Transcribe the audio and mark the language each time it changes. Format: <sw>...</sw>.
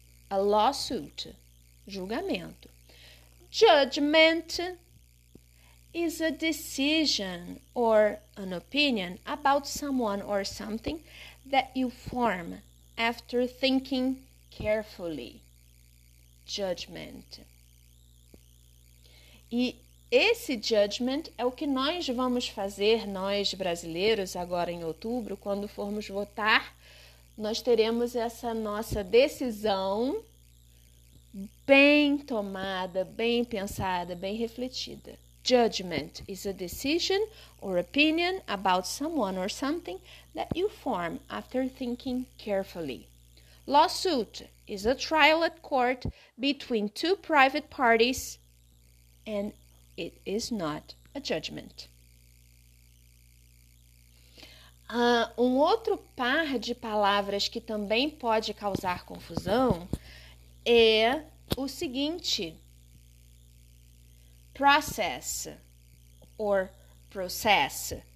<en>A lawsuit, julgamento. Judgment is a decision or an opinion about someone or something that you form after thinking carefully. Judgment.</en> <pt>E esse judgment é o que nós vamos fazer, nós brasileiros, agora em outubro, quando formos votar nós teremos essa nossa decisão bem tomada, bem pensada, bem refletida.</pt> <en>Judgment is a decision or opinion about someone or something that you form after thinking carefully. Lawsuit is a trial at court between two private parties, and it is not a judgment.</en> <pt>Um outro par de palavras que também pode causar confusão é o seguinte:</pt> <en>process or process.</en>